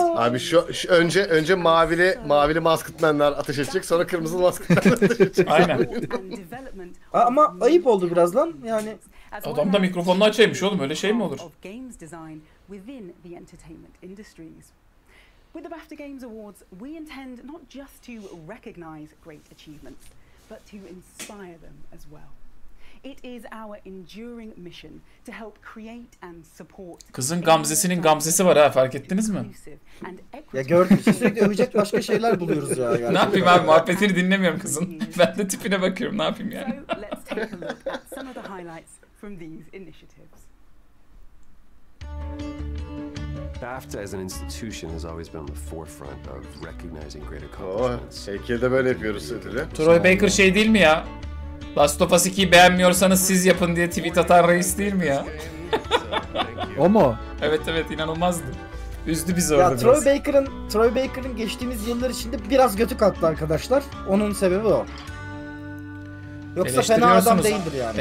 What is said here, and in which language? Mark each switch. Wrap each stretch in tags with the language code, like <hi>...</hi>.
<tr>Abi şu önce mavili maskıtmenler ateş edecek, sonra kırmızı maskıtmenler ateş edecek. Aynen. Ama ayıp oldu biraz lan, yani. Adam da mikrofonunu açaymış oğlum, öyle şey mi olur?</tr> <en>Within the entertainment industries. With the BAFTA Games Awards, we intend not just to recognize great achievements, but to inspire them as well. It is our enduring mission to help create and support.</en> <tr>Kızın gamzesinin gamzesi var ha, fark ettiniz mi? Ya gördüm, sürekli övecek başka şeyler buluyoruz ya. Ne yapayım abi, muhabbetini dinlemiyorum kızın. Ben de tipine bakıyorum, ne yapayım yani.</tr> <en>So, let's take a look at some of the highlights from these initiatives. BAFTA as an institution has always been on the forefront of recognizing great accomplishments.</en> <tr>Heykelde böyle yapıyoruz ödülü. Troy Baker şey değil mi ya? Last of Us 2'yi beğenmiyorsanız siz yapın diye tweet atan reis değil mi ya? O mu? Evet evet, inanılmazdı. Üzdü bizi orada. Ya Troy Baker'ın geçtiğimiz yıllar içinde biraz götü kalktı arkadaşlar. Onun sebebi o. Yoksa fena adam değildir yani.</tr>